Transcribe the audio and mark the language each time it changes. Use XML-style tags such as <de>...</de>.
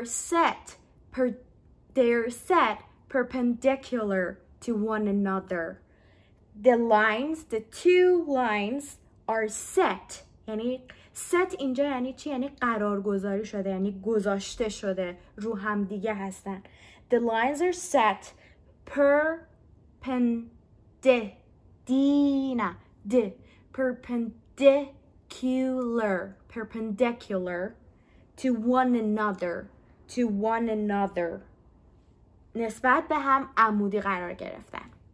<en>They are set perpendicular to one another. The two lines are set.</en> <fa>یعنی set اینجا یعنی چی؟ یعنی قرار گذاری شده، یعنی گذاشته شده، رو هم دیگه هستن.</fa> <en>The lines are set perpendicular to one another.</en> <fa>نسبت به هم عمودی قرار گرفتن.</fa>